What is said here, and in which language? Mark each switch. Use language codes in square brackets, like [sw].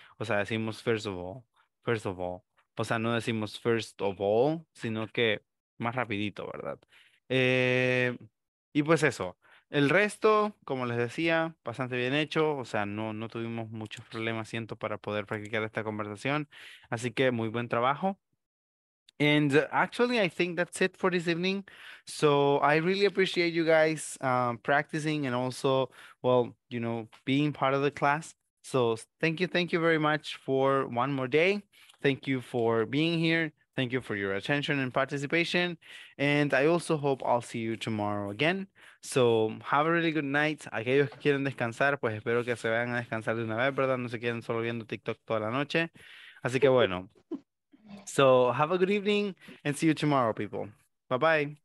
[es] O sea, decimos [en] first of all, [es] o sea, no decimos first of all, sino que más rapidito, ¿verdad? Y pues eso. El resto, como les decía, bastante bien hecho, o sea, no tuvimos muchos problemas, siento, para poder practicar esta conversación, así que muy buen trabajo. [en] And actually, I think that's it for this evening, so I really appreciate you guys practicing and also, well, you know, being part of the class, so thank you very much for one more day, thank you for being here, thank you for your attention and participation, and I also hope I'll see you tomorrow again. So, have a really good night. [es] Aquellos que quieren descansar, pues espero que se vayan a descansar de una vez, ¿verdad? No se queden solo viendo TikTok toda la noche. Así que bueno. [en] So, have a good evening and see you tomorrow, people. Bye-bye.